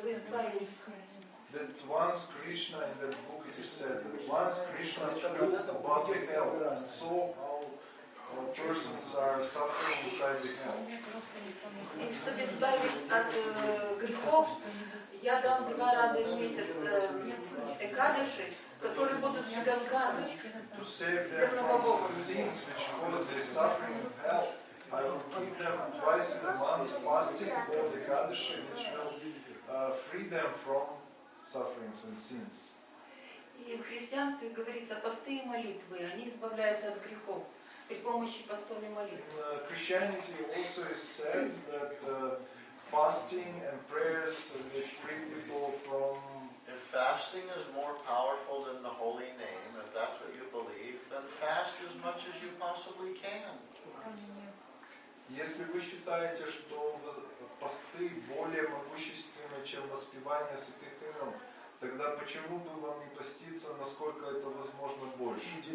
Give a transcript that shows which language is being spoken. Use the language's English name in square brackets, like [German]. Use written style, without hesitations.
[English] That once Krishna in that book it is said that once Krishna knew about the hell and saw how persons are suffering inside the hell. [Russian] И чтобы избавить от грехов, я дам два раза в месяц экадыши, которые будут шаганганы. [English] To save them from the sins which cause their suffering in hell, I will give them twice in a month fasting for the экадыши, which will free them from sufferings and sins. [Russian] И в христианстве говорится, посты и молитвы, они избавляются от грехов при помощи постов и молитв. [English] In Christianity also is said that fasting and prayers will free people from. If fasting is more powerful than the holy name, if that's what you believe, then fast as much as you possibly can. [Russian] Если вы считаете, что посты более могущественны, чем воспевание святых имен, тогда почему бы вам не поститься, насколько это возможно больше?